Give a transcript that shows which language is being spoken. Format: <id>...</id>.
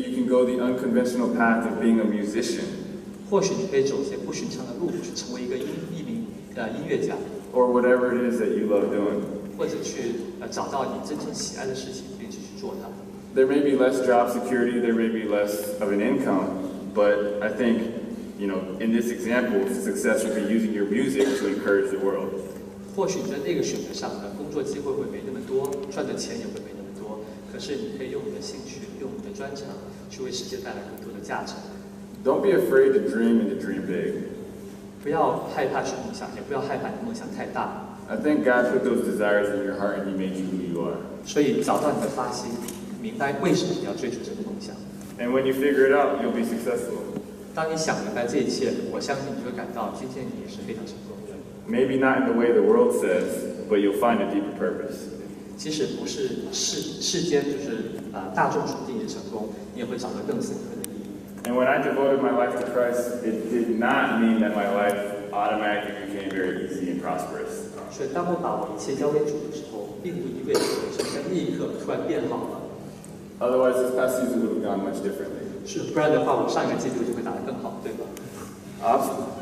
<en>you can go the unconventional path of being a musician.</en> <zh>或许你可以走一些不寻常的路，去成为一名音乐家，</zh> <en>or whatever it is that you love doing.</en> <zh>或者去找到你真正喜爱的事情，并且去做它。</zh> <en>there may be less job security, there may be less of an income, but I think, you know, in this example, success would be using your music to encourage the world.</en> <zh>或许在那个选择上呢，工作机会会没那么多，赚的钱也会没那么多，可是你可以用你的兴趣，用你的专长，去为世界带来更多的价值。</zh> <en>Don't be afraid to dream and to dream big.</en> <zh>不要害怕去梦想，也不要害怕你的梦想太大。</zh> <en>I think God put those desires in your heart and He made you who you are.</en> <zh>所以找到你的发心，明白为什么你要追逐这个梦想。</zh> <en>And when you figure it out, you'll be successful.</en> <zh>当你想明白这一切，我相信你就会感到今天你也是非常成功的。</zh> <en>Maybe not in the way the world says, but you'll find a deeper purpose.</en> <zh>即使不是世间就是大众所定义的成功，你也会找到更深刻的意义。</zh> <en>And when I devoted my life to Christ, it did not mean that my life automatically became very easy and prosperous.</en> <zh>所以当我把我一切交给主的时候，并不意味着我生命立刻突然变好了。</zh> <en>Otherwise, this past season would have gone much differently.</en> <zh>是，不然的话，我上一个季度就会打得更好，对吗？</zh>